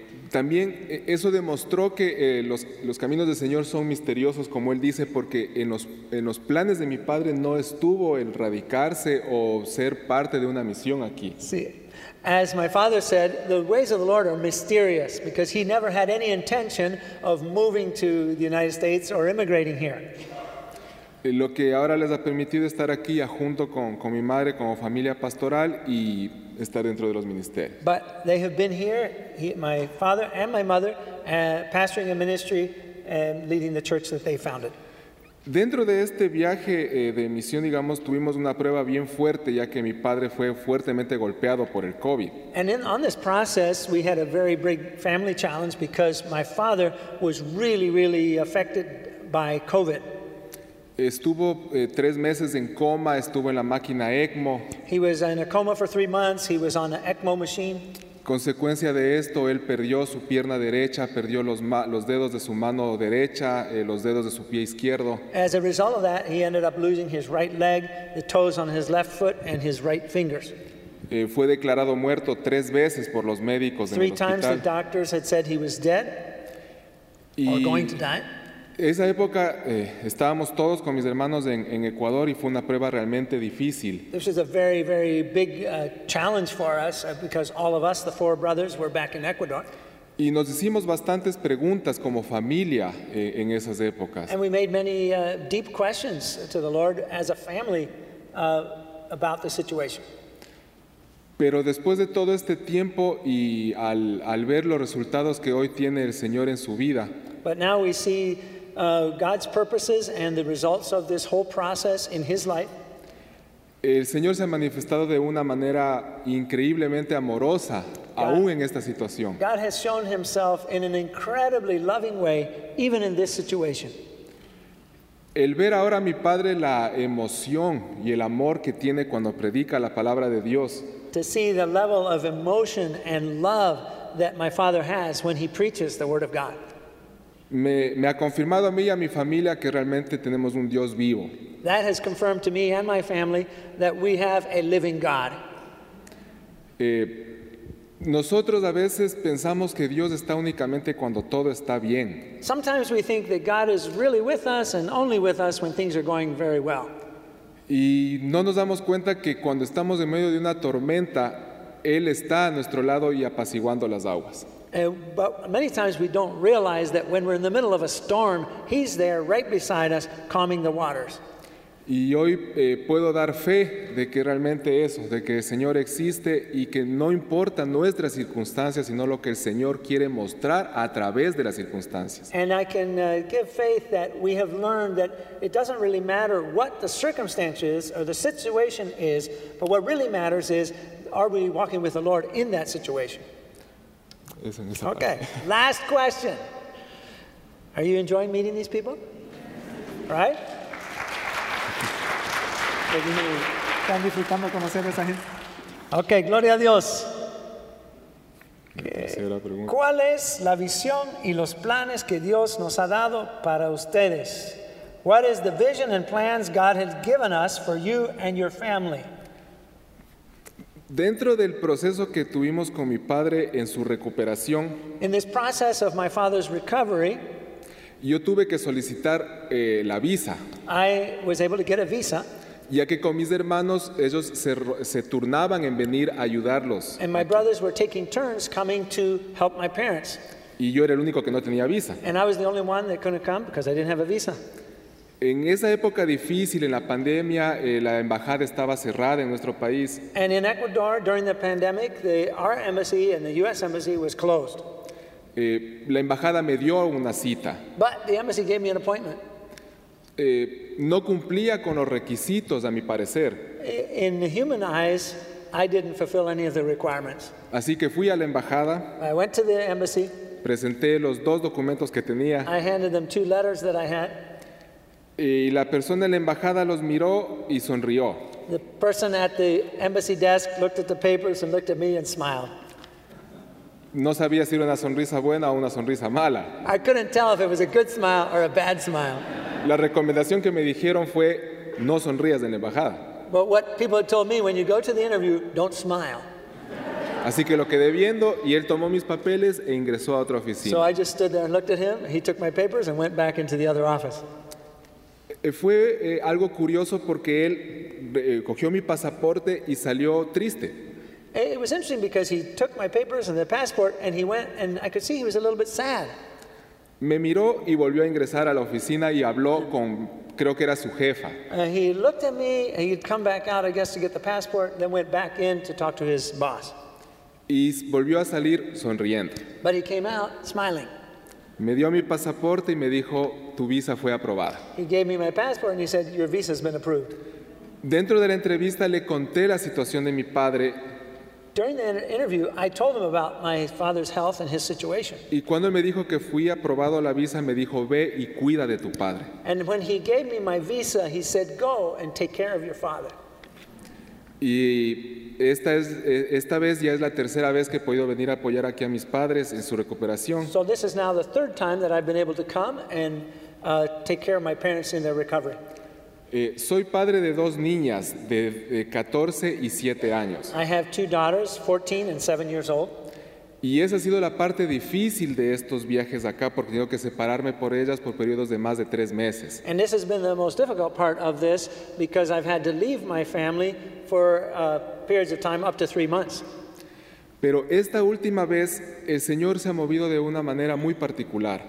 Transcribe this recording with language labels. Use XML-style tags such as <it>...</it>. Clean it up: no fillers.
<es>También eso demostró que los caminos del Señor son misteriosos, como él dice, porque en los planes de mi padre no estuvo el radicarse o ser parte de una misión aquí. Sí.</es> <en>As my father said, the ways of the Lord are mysterious because he never had any intention of moving to the United States or immigrating here.</en> <es>Lo que ahora les ha permitido estar aquí junto con mi madre como familia pastoral y estar dentro de los ministerios.</es> <en>But they have been here, my father and my mother, pastoring a ministry and leading the church that they founded.</en> <es>Dentro de este viaje de misión, digamos, tuvimos una prueba bien fuerte, ya que mi padre fue fuertemente golpeado por el COVID.</es> <en>And on this process, we had a very big family challenge because my father was really, really affected by COVID.</en> <es>Estuvo tres meses en coma, estuvo en la máquina ECMO.</es> <en>He was in a coma for 3 months, he was on an ECMO machine.</en> <es>Consecuencia de esto, él perdió su pierna derecha, perdió los dedos de su mano derecha, los dedos de su pie izquierdo.</es> <en>As a result of that, he ended up losing his right leg, the toes on his left foot, and his right fingers.</en> <es>Fue declarado muerto tres veces por los médicos en el hospital.</es> <en>Three times the doctors had said he was dead, or going to die.</en> <es>Esa época estábamos todos con mis hermanos en Ecuador y fue una prueba realmente difícil.</es> <en>This was a very, very big challenge for us because all of us, the four brothers, were back in Ecuador.</en> <es>Y nos hicimos bastantes preguntas como familia en esas épocas.</es> <en>And we made many deep questions to the Lord as a family about the situation.</en> <es>Pero después de todo este tiempo y al ver los resultados que hoy tiene el Señor en su vida.</es> <en>But now we see God's purposes and the results of this whole process in his life.</en> <es>El Señor se ha manifestado de una manera increíblemente amorosa, aún en esta situación.</es> <en>God has shown himself in an incredibly loving way, even in this situation.</en> <es>El ver ahora a mi padre la emoción y el amor que tiene cuando predica la palabra de Dios.</es> <en>To see the level of emotion and love that my father has when he preaches the word of God.</en> <es>Me ha confirmado a mí y a mi familia que realmente tenemos un Dios vivo.</es> <en>That has confirmed to me and my family that we have a living God.</en> <es>Nosotros a veces pensamos que Dios está únicamente cuando todo está bien.</es> <en>Sometimes we think that God is really with us and only with us when things are going very well.</en> <es>Y no nos damos cuenta que cuando estamos en medio de una tormenta, Él está a nuestro lado y apaciguando las aguas.</es> <en>But many times we don't realize that when we're in the middle of a storm, He's there right beside us calming the waters.</en> <es>Y hoy puedo dar fe de que realmente eso, de que el Señor existe y que no importa nuestras circunstancias, sino lo que el Señor quiere mostrar a través de las circunstancias.</es> <en>And I can give faith that we have learned that it doesn't really matter what the circumstances or the situation is, but what really matters is, are we walking with the Lord in that situation?</en> <es>Es en esa okay, parte.</es> <en>Last question. Are you enjoying meeting these people? Right?</en> <es>Están disfrutando conocer a esa gente. Ok, gloria a Dios. Okay. ¿Cuál es la visión y los planes que Dios nos ha dado para ustedes?</es> <en>What is the vision and plans God has given us for you and your family?</en> <es>Dentro del proceso que tuvimos con mi padre en su recuperación,</es> <en>in this process of my father's recovery,</en> <es>yo tuve que solicitar la visa.</es> <en>I was able to get a visa.</en> <es>Ya que con mis hermanos ellos se turnaban en venir a ayudarlos.</es> <en>And my brothers were taking turns coming to help my parents.</en> <es>Y yo era el único que no tenía visa.</es> <en>And I was the only one that couldn't come because I didn't have a visa.</en> <es>En esa época difícil, en la pandemia, la embajada estaba cerrada en nuestro país.</es> <en>And in Ecuador, during the pandemic, our embassy and the U.S. embassy was closed.</en> <es>La embajada me dio una cita.</es> <en>But the embassy gave me an appointment.</en> <es>No cumplía con los requisitos, a mi parecer.</es> <en>In human eyes, I didn't fulfill any of the requirements.</en> <es>Así que fui a la embajada.</es> <en>I went to the embassy.</en> <es>Presenté los dos documentos que tenía.</es> <en>I handed them two letters that I had.</en> <es>Y la persona en la embajada los miró y sonrió.</es> <en>The person at the embassy desk looked at the papers and looked at me and smiled.</en> <es>No sabía si era una sonrisa buena o una sonrisa mala.</es> <en>I couldn't tell if it was a good smile or a bad smile.</en> <es>La recomendación que me dijeron fue, no sonrías en la embajada.</es> <en>But what people had told me, when you go to the interview, don't smile.</en> <es>Así que lo quedé viendo, y él tomó mis papeles e ingresó a otra oficina.</es> <en>So I just stood there and looked at him, he took my papers and went back into the other office.</en> <es>Fue algo curioso porque él cogió mi pasaporte y salió triste.</es> <en>It was interesting because he took my papers and the passport and he went and I could see he was a little bit sad.</en> <es>Me miró y volvió a ingresar a la oficina y habló con, creo que era su jefa.</es> <en>He looked at me and he'd come back out, I guess, to get the passport, then went back in to talk to his boss.</en> <es>Y volvió a salir sonriendo.</es> <en>But he came out smiling.</en> <es>Me dio mi pasaporte y me dijo, tu visa fue aprobada.</es> <en>He gave me my passport and he said, your visa has been approved.</en> <es>Dentro de la entrevista le conté la situación de mi padre.</es> <en>During the interview, I told him about my father's health and his situation.</en> <es>Y cuando me dijo que fui aprobado la visa, me dijo, ve y cuida de tu padre.</es> <en>And when he gave me my visa, he said, go and take care of your father.</en> <es>Y esta vez ya es la tercera vez que he podido venir a apoyar aquí a mis padres en su recuperación.</es> <en>So this is now the third time that I've been able to come and take care of my parents in their recovery.</en> <es>Soy padre de dos niñas de 14 y 7 años.</es> <en>I have two daughters, 14 and 7 years old.</en> <es>Y esa ha sido la parte difícil de estos viajes acá porque tengo que separarme por ellas por periodos de más de 3 meses.</es> <en>And this has been the most difficult part of this because I've had to leave my family for periods of time up to 3 months.</en> <es>Pero esta última vez el Señor se ha movido de una manera muy particular.</es>